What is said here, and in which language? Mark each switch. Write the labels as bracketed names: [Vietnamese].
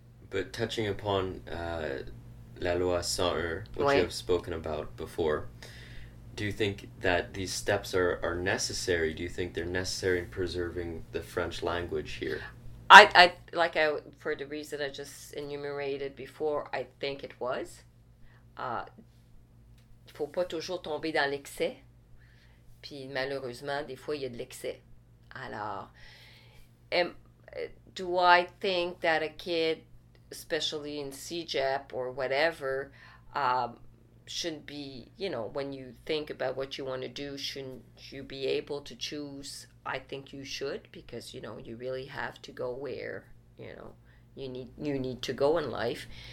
[English] But touching upon La Loi 101, which you have spoken about before, do you think that these steps are necessary? Do you think they're necessary in preserving the French language here? I like I for the reason I just enumerated before, I think it was. [French] Faut pas toujours tomber dans l'excès. Puis malheureusement, des fois, il y a de l'excès. [English] Alors, do I think that a kid, especially in CEGEP or whatever, shouldn't be, when you think about what you want to do, shouldn't you be able to choose? I think you should, because you really have to go where you need to go in life.